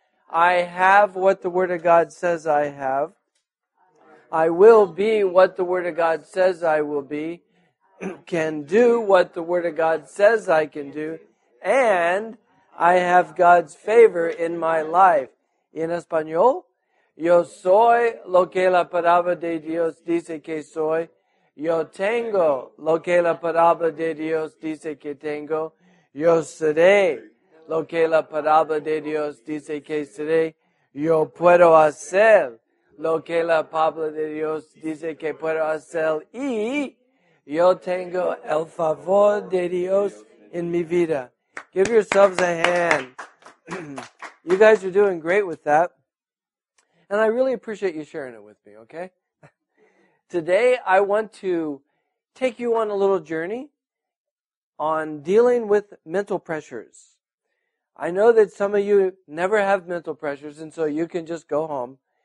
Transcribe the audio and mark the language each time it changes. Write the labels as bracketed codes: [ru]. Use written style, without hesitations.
[en] I have what the Word of God says I have. I will be what the Word of God says I will be. Can do what the Word of God says I can do. And I have God's favor in my life. [es] En español, yo soy lo que la palabra de Dios dice que soy. Yo tengo lo que la palabra de Dios dice que tengo. Yo seré lo que la palabra de Dios dice que seré. Yo puedo hacer lo que la palabra de Dios dice que puedo hacer. Y yo tengo el favor de Dios en mi vida. [en] Give yourselves a hand. You guys are doing great with that. And I really appreciate you sharing it with me, okay? Today, I want to take you on a little journey on dealing with mental pressures. I know that some of you never have mental pressures, and so you can just go home.